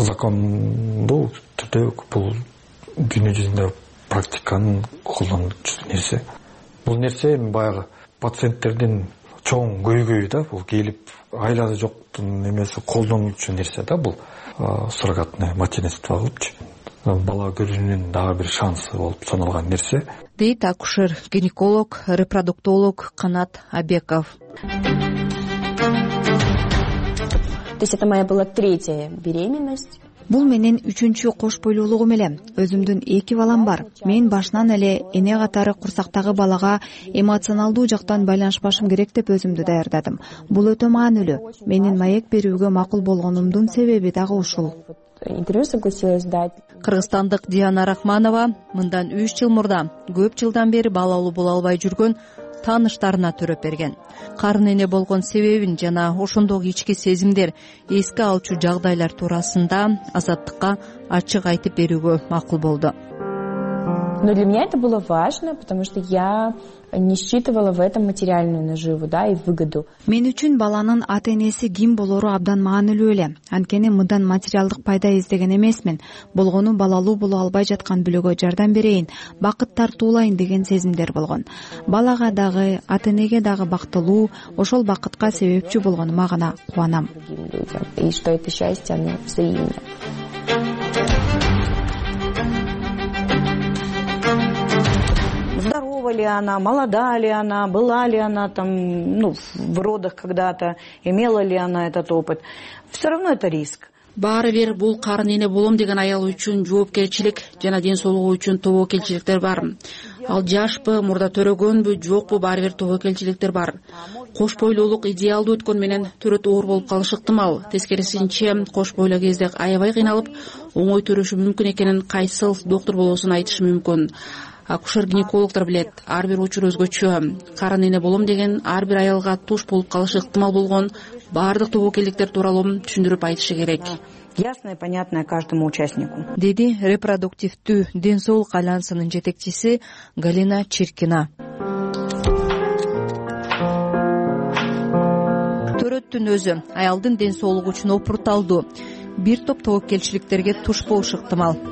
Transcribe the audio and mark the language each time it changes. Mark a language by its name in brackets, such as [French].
[Kyrgyz] Закондуу түрдө бул дүйнө жүзүндө практиканын колдонулуучу нерсе. Бул нерсе эми баягы пациенттердин чоң көйгөйү да, бул келип айласы жоктун эмеси колдонулуучу нерсе да бул суррогатное материнство болупчу. Бала көрүүнүн дагы бир шансы болуп саналган нерсе. Дейт акушер, гинеколог, репродуктолог Канат Абеков. [Russian] То есть это моя была третья беременность. [Kyrgyz] Бул менен үчүнчү кош бойлуулугум эле. Өзүмдүн эки балам бар. Мен башынан эле эне катары курсактагы балага эмоционалдуу жактан байланышпашым керек деп өзүмдү даярдадым. Бул өтө маанилүү. Менин маек берүүгө макул болгонумдун себеби дагы ушул. [Russian] Интервью согласилась дать. [Kyrgyz] Кыргызстандык Диана Рахманова мындан 3 жыл мурда көп жылдан бери балалуу боло албай жүргөн тааныштарына төрөп берген. Карын эне болгон себебин жана ошондогу ички сезимдер, эске алчу жагдайлар туурасында азаттыкка ачык айтып берүүгө макул болду. [Russian] Но для меня это было важно, потому что я не считывала в этом материальную наживу, да, и выгоду. [Kyrgyz] Мен үчүн баланын ата-энеси ким болору абдан маанилүү эле. Анткени мындан материалдык пайда издеген эмесмин. Болгону балалуу боло албай жаткан бүлөгө жардам берейин, бакыт тартуулайын деген сезимдер болгон. Балага дагы, ата-энеге дагы бактылуу, ошол бакытка себепчи болгонума гана кубанам. [Russian] И что это счастье, оно взаимно. Здорова ли она, молода ли она, была ли она там, ну, в родах когда-то, имела ли она этот опыт. Все равно это риск. [Kyrgyz] Баары бир бул карын эне болом деген аял үчүн жоопкерчилик жана ден соолугу үчүн тобокелчиликтер бар. Ал жашпы, мурда төрөгөнбү, жокпу, баары бир тобокелчиликтер бар. Кош бойлуулук идеалдуу өткөн менен төрөт оор болуп калышы ыктымал. Тескерисинче, кош бойло кезде аябай кыйналып, оңой төрөшү мүмкүн экенин кайсыл доктур болосун айтышы мүмкүн. Акушер-гинекологдор билет, ар бир учур өзгөчө. Карын эне болом деген ар бир аялга туш болуп калышы ыктымал болгон баардык тобокелдиктер тууралуу түшүндүрүп айтышы керек. [Russian] Ясно и понятно каждому участнику. [Kyrgyz] Деди репродуктивдүү ден соолук альянсынын жетекчиси Галина Чиркина. Төрөттүн өзү аялдын ден соолугу үчүн опурталдуу. Бир топ тобокелчиликтерге туш болуш ыктымал.